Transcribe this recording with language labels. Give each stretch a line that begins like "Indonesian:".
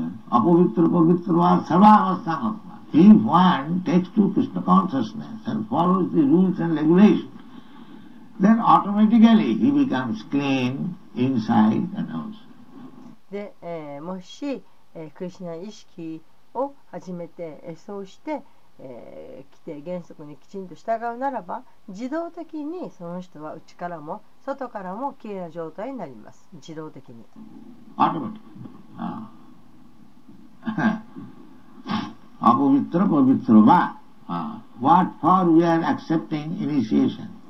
Sanskrit: アポビトルポビトルはサバーバスタマスマ。
English: If one takes to Krishna consciousness and follows the rules and regulations, then automatically he becomes clean inside and outside.
Japanese: で、もし、クリシナ意識を始めて、そうして、来て原則にきちんと従うならば、自動的にその人は内からも外からもきれいな状態になります。自動的に、
Sanskrit: アドバイト、アポビトロポビトロは
English: What for we are accepting initiation?